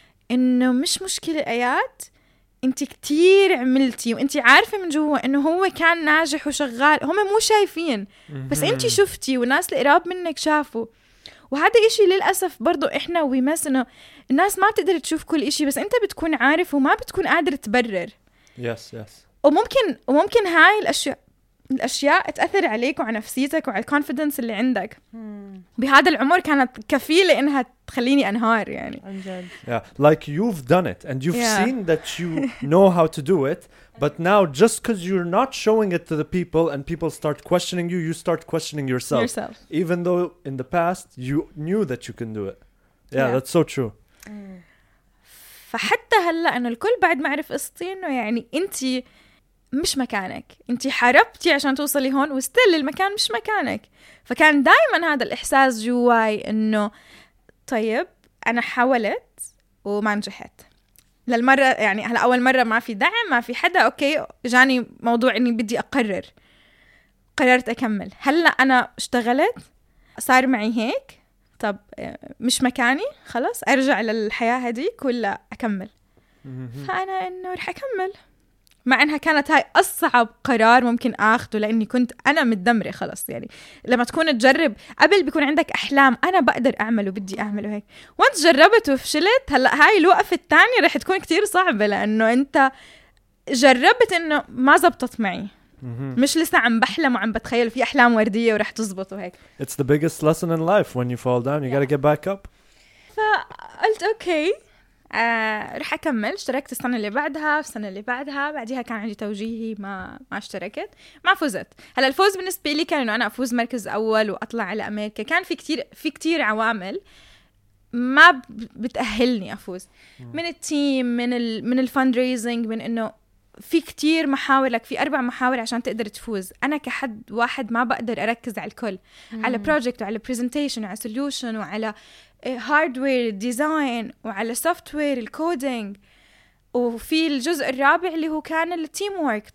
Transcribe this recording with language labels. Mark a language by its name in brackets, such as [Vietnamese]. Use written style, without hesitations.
[Arabic] إنه مش مشكلة آيات، أنت كتير عملتي وأنت عارفة من جوه إنه هو كان ناجح وشغال، هم مو شايفين بس أنت شفتي وناس القراب منك شافوا، وهذا إشي للأسف برضو إحنا ويمسنا الناس ما بتقدر تشوف كل إشي بس أنت بتكون عارف وما بتكون قادر تبرر. [English] yes, yes. [Arabic] وممكن هاي الأشياء تأثر عليك وعلى نفسيتك وعلى الكونفيدنس اللي عندك. بهذا العمر كانت كفيلة إنها تخليني أنهار يعني. [English] yeah. Like you've done it and you've seen that you know how to do it but now just because you're not showing it to the people and people start questioning you, you start questioning yourself. Even though in the past you knew that you can do it. Yeah, that's so true. [Arabic] فحتى هلأ إنه الكل بعد ما عرف قصتي إنه يعني أنتي مش مكانك، انت حاربتي عشان توصلي هون وستيل المكان مش مكانك، فكان دائما هذا الاحساس جواي انه طيب انا حاولت وما نجحت للمره، يعني هلا اول مره ما في دعم ما في حدا، اوكي جاني موضوع اني بدي اقرر قررت اكمل، هلا انا اشتغلت صار معي هيك، طب مش مكاني خلص ارجع للحياه هذيك ولا اكمل؟ فانا انه رح اكمل مع انها كانت هاي اصعب قرار ممكن اخده لاني كنت انا مدمرة خلص. يعني لما تكون تجرب قبل بيكون عندك احلام انا بقدر اعمله بدي اعمله هيك، وانت جربت وفشلت هلا هاي الوقفه الثانيه رح تكون كتير صعبه لانه انت جربت انه ما زبطت معي مش لسه عم بحلم وعم بتخيل في احلام ورديه ورح تزبط وهيك. [English] It's the biggest lesson in life when you fall down you gotta get back up. [Arabic] فقلت اوكي رح أكمل، اشتركت السنة اللي بعدها في السنة اللي بعدها، بعدها كان عندي توجيهي ما اشتركت ما فزت. هلا الفوز بالنسبة لي كان إنه أنا أفوز مركز أول وأطلع على أمريكا، كان في كتير عوامل ما بتأهلني أفوز، من التيم من الفاندريزنج، من إنه في كتير محاور لك في 4 محاور عشان تقدر تفوز، أنا كحد واحد ما بقدر أركز على الكل، على بروجكت وعلى بريزنتيشن وعلى سوليوشن وعلى هاردوير ديزاين وعلى سوفت وير الكودينج، وفي الجزء الرابع اللي هو كان التيم وورك.